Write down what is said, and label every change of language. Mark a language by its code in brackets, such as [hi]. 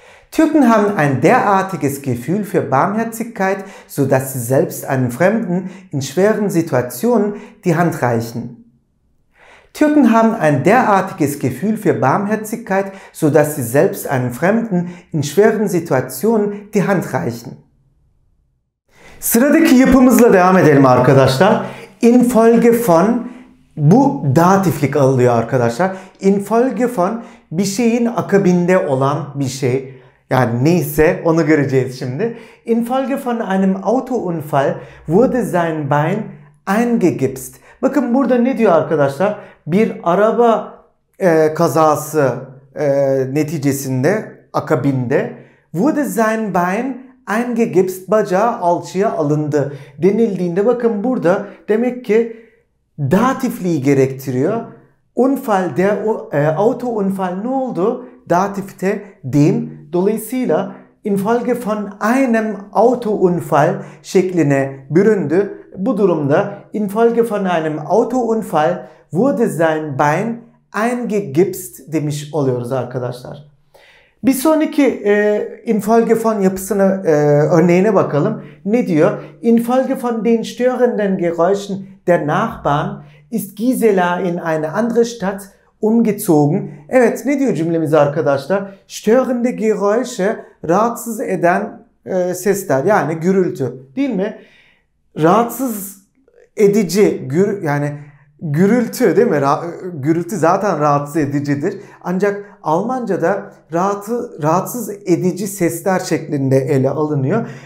[de] Türken haben ein derartiges Gefühl für Barmherzigkeit, so dass sie selbst einem Fremden in schweren Situationen die Hand reichen. Türken haben ein derartiges Gefühl für Barmherzigkeit, so dass sie selbst einem Fremden in schweren Situationen die Hand reichen. [tr] Sıradaki yapımızla devam edelim arkadaşlar. In Folge von, bu datiflik alıyor arkadaşlar. In Folge von, bir şeyin akabinde olan bir şey. Yani neyse onu göreceğiz şimdi. [de] In Folge von einem Autounfall wurde sein Bein eingegipst. [tr] Bakın burada ne diyor arkadaşlar? Bir araba kazası neticesinde, akabinde wurde sein Bein eingegipst, bacağı alçıya alındı denildiğinde, bakın burada demek ki datifliği gerektiriyor. Unfall, der Autounfall ne oldu? Datifte dem. [de] Dolayısıyla infolge von einem Autounfall şekline büründü. Bu durumda infolge von einem Autounfall wurde sein Bein eingegipst demiş oluyoruz arkadaşlar. [tr] Bir sonraki infolge von yapısına örneğine bakalım. Ne diyor? [de] Infolge von den störenden Geräuschen der Nachbarn ist Gisela in eine andere Stadt umgezogen. [tr] Evet, ne diyor cümlemiz arkadaşlar? Störende Geräusche, rahatsız eden sesler, yani gürültü, değil mi? Rahatsız edici yani gürültü, değil mi? Gürültü zaten rahatsız edicidir. Ancak Almanca'da rahatsız edici sesler şeklinde ele alınıyor.